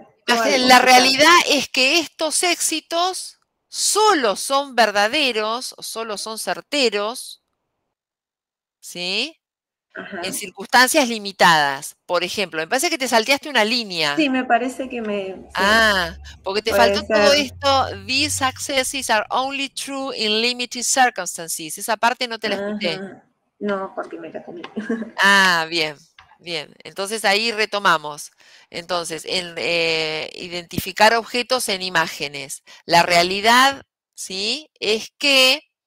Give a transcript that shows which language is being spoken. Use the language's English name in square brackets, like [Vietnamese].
[Spanish] La realidad es que estos éxitos solo son verdaderos, solo son certeros, ¿sí? Ajá. En circunstancias limitadas. Por ejemplo, me parece que te salteaste una línea. Sí, me parece que me... Sí. Ah, porque te faltó todo esto. [English] These successes are only true in limited circumstances. [Spanish] Esa parte no te la escuché. No, porque me la comí. Ah, bien, bien. Entonces ahí retomamos. Entonces, en identificar objetos en imágenes. La realidad, ¿sí? Es que...